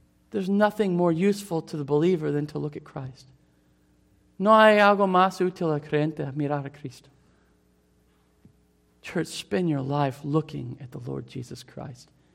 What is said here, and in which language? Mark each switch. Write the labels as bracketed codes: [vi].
[en] There's nothing more useful to the believer than to look at Christ. [es] No hay algo más útil al creyente a mirar a Cristo. [en] Church, spend your life looking at the Lord Jesus Christ.